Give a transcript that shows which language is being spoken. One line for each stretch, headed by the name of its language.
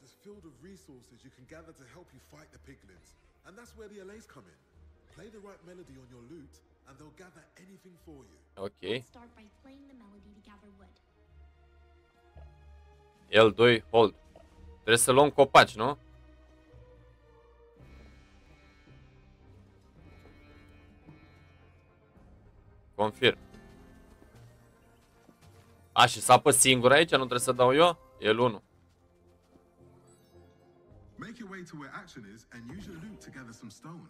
English: Filled with resources you can gather to help you fight the piglins, and that's where the LAs come in. Play the right melody on your lute, and they'll gather anything for you. Okay. Let's start by playing the melody to gather wood.
Romanian: El doi, hold. Trebuie să luăm copaci, nu?
English: Confirm.
Romanian: A, și sapă singur aici, nu trebuie să dau eu? El unu.
English: Make your way to where action is and use your loot to gather some stone.